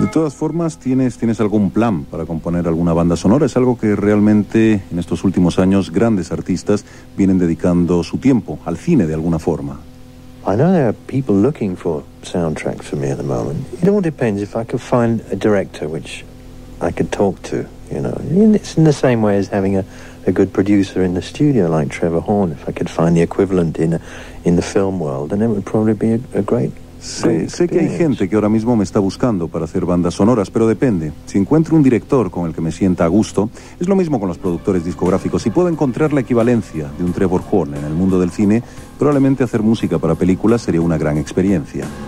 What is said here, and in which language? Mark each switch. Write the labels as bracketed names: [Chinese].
[Spanish] Formas, ¿tienes algún plan para componer alguna banda sonora? Es algo que realmente en estos últimos años grandes artistas vienen dedicando su tiempo al cine de alguna forma. [English] I know there are people looking for soundtracks for me at the moment. It all depends if I could find a director which I could talk to, you know. It's in the same way as having a good producer in the studio like Trevor Horn. If I could find the equivalent in the film world, then it would probably be a great... [Spanish] Sé que hay gente que ahora mismo me está buscando para hacer bandas sonoras, pero depende. Si encuentro un director con el que me sienta a gusto, es lo mismo con los productores discográficos. Si puedo encontrar la equivalencia de un Trevor Horn en el mundo del cine, probablemente hacer música para películas sería una gran experiencia.